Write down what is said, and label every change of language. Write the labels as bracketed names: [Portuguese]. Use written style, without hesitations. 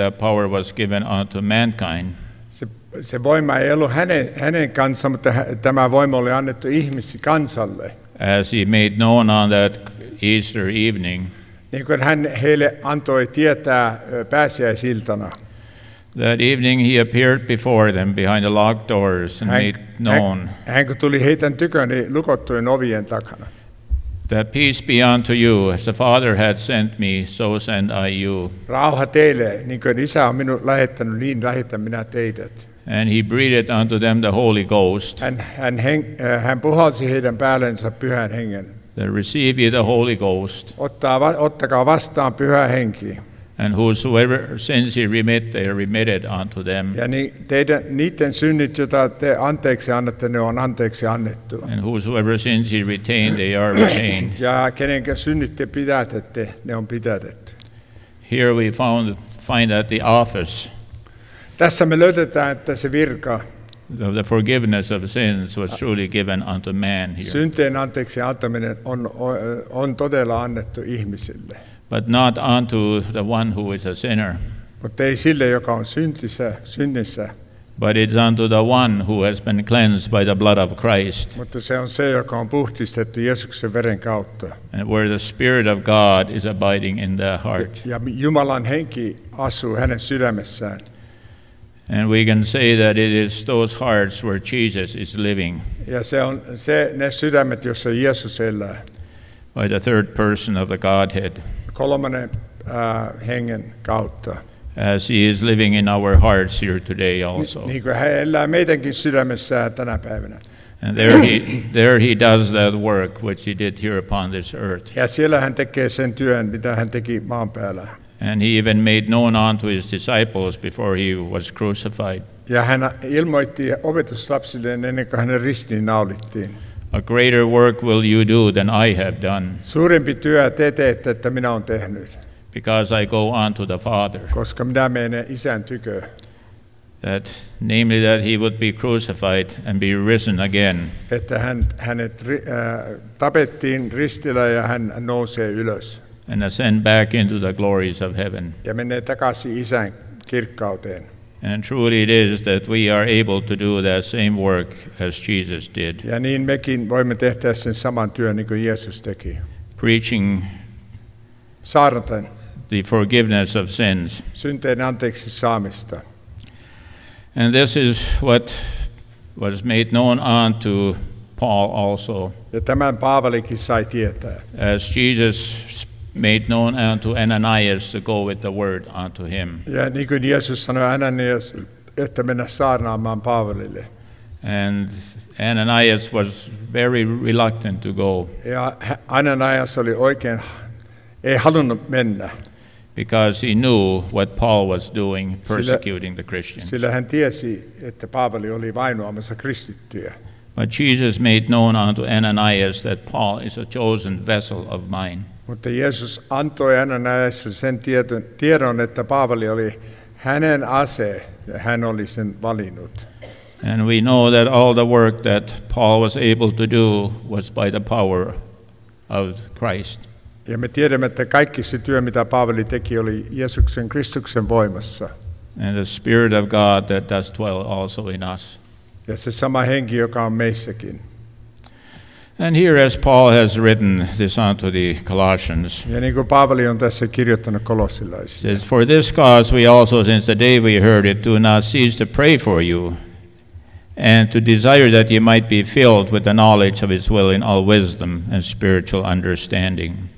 [English] That power was given unto mankind. [Finnish] Se voima ei ollut hänen kanssa, mutta tämä voima oli annettu ihmisi kansalle. [English] As he made known on that Easter evening. [Finnish] Niin kuin hän heille antoi tietää pääsiäisiltana. [English] That evening he appeared before them behind the locked doors and made known. [Finnish] Hän kun tuli heidän tyköni lukottujen ovien takana. [English] That peace be unto you, as the Father had sent me, so send I you. [Finnish] Rauha teille, niin kuin Isä on minut lähettänyt, niin lähetän minä teidät. [English] And he breathed unto them the Holy Ghost. [Finnish] Hän puhalsi heidän päällensä pyhän hengen. [English] That receive ye the Holy Ghost. [Finnish] Ottakaa vastaan pyhä henki. [English] And whosoever sins ye remit, they are remitted unto them. [Finnish] Ja niiden synnit, joita te anteeksi annatte, ne on anteeksi annettu. [English] And whosoever sins ye retain, they are retained. [Finnish] Ja kenenkä synnit te pidätätte, ne on pidätetty. [English] Here we find that the office. [Finnish] Tässä me löydetään, että se virka. [English] The forgiveness of sins was truly given unto man here. [Finnish] Synteen anteeksi antaminen on todella annettu ihmisille. [English] But not unto the one who is a sinner. [Finnish] Mutta ei sille, joka on synnissä. [English] But it's unto the one who has been cleansed by the blood of Christ. [Finnish] Mutta se on se, joka on puhdistettu Jeesuksen veren kautta. [English] And where the Spirit of God is abiding in the heart. [Finnish] Ja Jumalan henki asuu hänen sydämessään. [English] And we can say that it is those hearts where Jesus is living. [Finnish] Ja se on se, ne sydämet, jossa Jeesus elää. [English] By the third person of the Godhead. [Finnish] Kolmannen hengen kautta. [English] As he is living in our hearts here today also. [Finnish] Niin kuin hän elää meidänkin sydämessään tänä päivänä. [English] And there he does that work which he did here upon this earth. [Finnish] Ja siellä hän tekee sen työn, mitä hän teki maan päällä. [English] And he even made known unto his disciples before he was crucified. [Finnish] Ja hän ilmoitti opetuslapsille ennen kuin hänen ristiin naulittiin. [English] A greater work will you do than I have done. [Finnish] Suurempi työ te teette, että minä olen tehnyt. [English] Because I go unto the Father. [Finnish] Koska minä menen isän tykö. [English] That, namely that he would be crucified and be risen again. [Finnish] Että hänet tapettiin ristillä ja hän nousee ylös. [English] And ascend back into the glories of heaven. [Finnish] Ja menee takaisin isän kirkkauteen. [English] And truly it is that we are able to do that same work as Jesus did. [Finnish] Ja niin mekin voimme tehdä sen saman työn, niin kuin Jeesus teki. [English] Preaching. [Finnish] Saarnaten. [English] The forgiveness of sins. [Finnish] Synteen anteeksi saamista. [English] And this is what was made known unto Paul also. [Finnish] Ja tämän Paavalikin sai tietää. [English] As Jesus made known unto Ananias to go with the word unto him. [Finnish] Ja niin kuin Jeesus sanoi Ananias, että mennä saarnaamaan Paavalille. [English] And Ananias was very reluctant to go. [Finnish] Ja Ananias oli oikein, ei halunnut mennä. [English] Because he knew what Paul was doing, persecuting the Christians. [Finnish] Sillä hän tiesi, että Paavali oli vainoamassa kristittyjä. [English] But Jesus made known unto Ananias that Paul is a chosen vessel of mine. [Finnish] Mutta Jeesus antoi Ananiasille sen tiedon, että Paavali oli hänen ase ja hän oli sen valinnut. [English] And we know that all the work that Paul was able to do was by the power of Christ. [Finnish] Ja me tiedämme, että kaikki se työ, mitä Paavali teki, oli Jeesuksen Kristuksen voimassa. [English] And the Spirit of God that does dwell also in us. [Finnish] Ja se sama henki, joka on meissäkin. [English] And here as Paul has written this unto the Colossians. [Finnish] Ja niin kuin Paavali on tässä kirjoittanut kolossilaisille. [English] Says, for this cause we also, since the day we heard it, do not cease to pray for you. And to desire that ye might be filled with the knowledge of his will in all wisdom and spiritual understanding.